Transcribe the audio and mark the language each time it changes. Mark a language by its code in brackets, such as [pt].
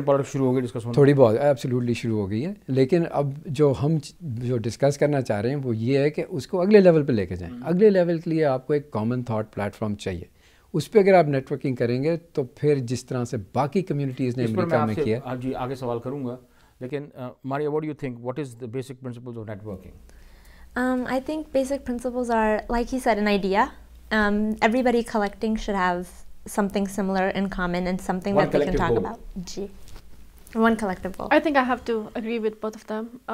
[ur] Politics شروع ہو گئی discuss ہونا, تھوڑی بہت ایبسولیوٹلی شروع ہو گئی ہے. لیکن اب جو ہم جو ڈسکس کرنا چاہ رہے ہیں وہ یہ ہے کہ اس کو اگلے لیول پہ لے کے جائیں. اگلے لیول کے لیے آپ کو ایک کامن تھاٹ پلیٹ فارم چاہیے, اس پہ اگر آپ نیٹ ورکنگ کریں گے تو پھر جس طرح سے باقی کمیونٹیز نے امریکہ میں کیا. جی آگے سوال کروں گا, لیکن ماریا, [en] What do you think, what is the basic principles of networking? I think basic principles are, like he said, an idea. Everybody collecting should have something similar in common and something one that they can talk about. Ji. One collective goal. I think I have to agree with both of them.